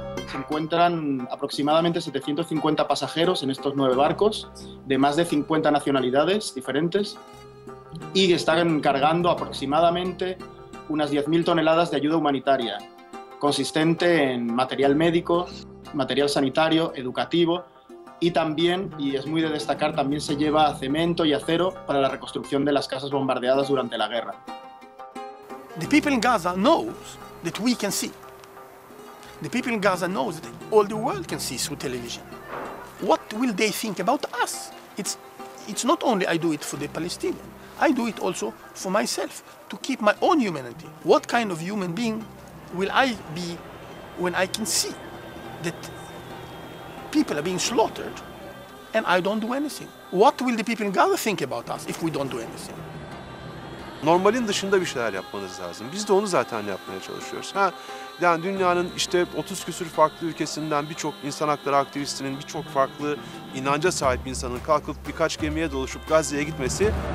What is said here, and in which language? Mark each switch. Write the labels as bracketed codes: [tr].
[es] Se encuentran aproximadamente 750 pasajeros en estos 9 barcos, de más de 50 nacionalidades diferentes, y están cargando aproximadamente unas 10.000 toneladas de ayuda humanitaria, consistente en material médico, material sanitario, educativo y también, y es muy de destacar, también se lleva cemento y acero para la reconstrucción de las casas bombardeadas durante la guerra. [en] The people in Gaza knows that we can see. The people in Gaza knows that all the world can see through television. What will they think about us? It's not only I do it for the Palestinians. I do it also for myself to keep my own humanity. What kind of human being will I be when I can see that people are being slaughtered and I don't do anything? What will the people in Gaza think about us if we don't do anything? [tr] Normalin dışında bir şeyler yapmanız lazım. Biz de onu zaten yapmaya çalışıyoruz. Ha, yani dünyanın işte 30 küsür farklı ülkesinden birçok insan hakları aktivistinin, birçok farklı inanca sahip insanın kalkıp birkaç gemiye doluşup Gazze'ye gitmesi.